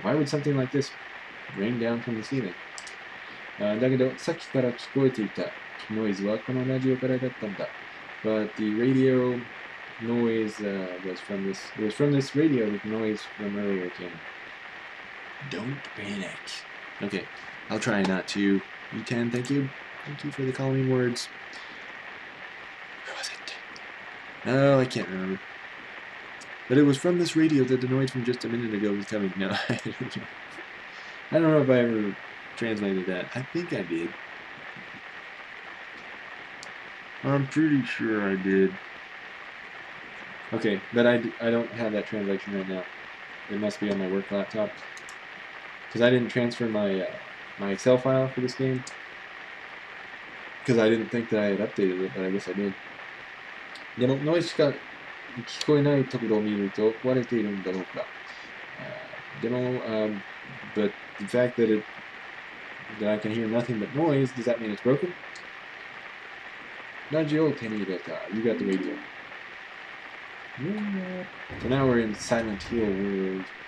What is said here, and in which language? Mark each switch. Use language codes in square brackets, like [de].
[en] Why would something like this rain down from the ceiling? [ja] だけど、さっきから聞こえていたノイズはこのラジオからだったんだ。 [en] But the radio noise was from this radio, the noise from earlier came. Don't panic. Okay, I'll try not to. You can, thank you. Thank you for the calming words. Where was it? Oh, I can't remember. But it was from this radio that the noise from just a minute ago was coming. No, I don't know if I ever translated that. I think I did. I'm pretty sure I did. Okay, but I don't have that translation right now. It must be on my work laptop. Because I didn't transfer my Excel file for this game. Because I didn't think that I had updated it, but I guess I did. [ja] でもノイズしか聞こえないところを見ると壊れているんだろうか。でも、 [en] but the fact that I can hear nothing but noise, does that mean it's broken? [ja] ラジオを手に入れた。 [en] You got the radio. So now we're in Silent Hill world.